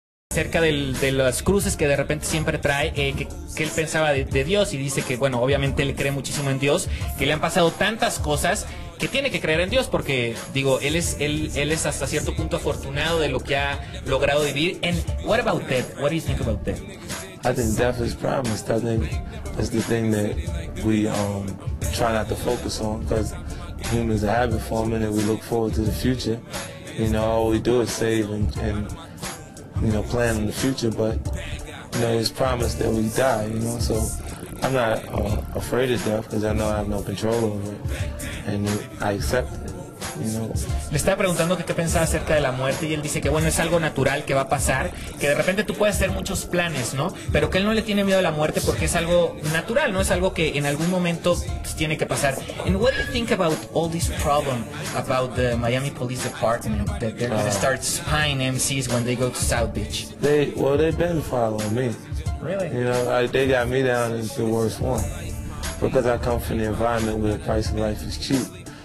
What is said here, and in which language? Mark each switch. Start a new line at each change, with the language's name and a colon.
Spanish: acerca de las cruces que de repente siempre trae, que él pensaba de Dios, y dice que, bueno, obviamente él cree muchísimo en Dios, que le han pasado tantas cosas que tiene que creer en Dios, porque, digo, él es hasta cierto punto afortunado de lo que ha logrado vivir.
English: And what about that? What do you think about that? I think death is problem. It's definitely, it's the thing that we try not to focus on, because humans are habit forming and we look forward to the future. You know, all we do is save and you know, plan in the future, but you know, it's promised that we die, you know, so I'm not afraid of death because I know I have no control over it and I accept it.
Spanish: Le estaba preguntando que qué pensaba acerca de la muerte, y él dice que, bueno, es algo natural que va a pasar, que de repente tú puedes hacer muchos planes, ¿no? Pero que él no le tiene miedo a la muerte porque es algo natural, ¿no? Es algo que en algún momento tiene que pasar.
English: And what do you think about all this problem about the Miami Police Department that they're going to start spying MCs when they go to South Beach? They've been following me. Really? You know, they got me down as the worst one because I come from the environment where the price of life is cheap.